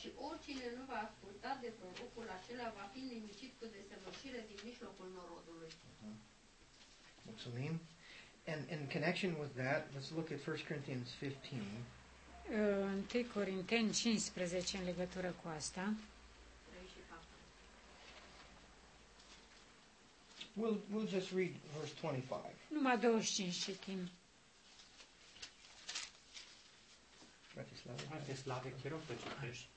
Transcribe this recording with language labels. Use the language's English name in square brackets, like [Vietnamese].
[Romanian] Și oricine nu va asculta de prorocul acela va fi nimicit cu desăvârșire din mijlocul norodului. Uh-huh. Mulțumim! [English] And in connection with that, let's look at 1 Corinthians 15. [Romanian] 1 Corinteni 15 în legătură cu asta. [English] We'll just read verse 25. [Romanian] Numai 25 citim. Bratislava, te rog să citești.